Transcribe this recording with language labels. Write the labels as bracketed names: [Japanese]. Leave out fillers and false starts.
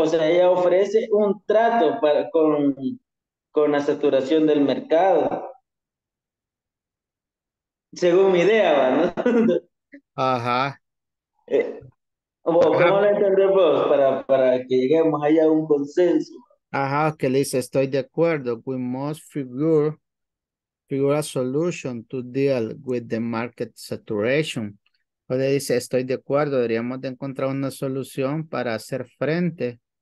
[Spanish] O sea, ella ofrece un trato para con la saturación del mercado. Según mi idea, ¿no? Ajá. ¿Cómo lo entendemos para que lleguemos allá a un consenso? Ajá, que le dice, estoy de acuerdo. [English] We must figure a solution to deal with the market saturation. [Spanish] O le dice, estoy de acuerdo. Deberíamos de encontrar una solución para hacer frente.